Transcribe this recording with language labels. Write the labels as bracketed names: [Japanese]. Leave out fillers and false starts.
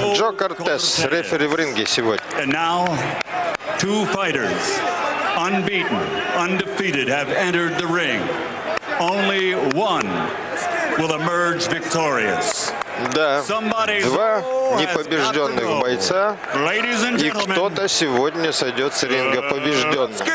[Russian] Джо Кортес, рефери в ринге сегодня. [English] And now, two fighters, unbeaten, undefeated, have entered the ring. Only one will emerge victorious. [Russian] Да, два непобежденных бойца, и кто-то сегодня сойдет с ринга побежденным.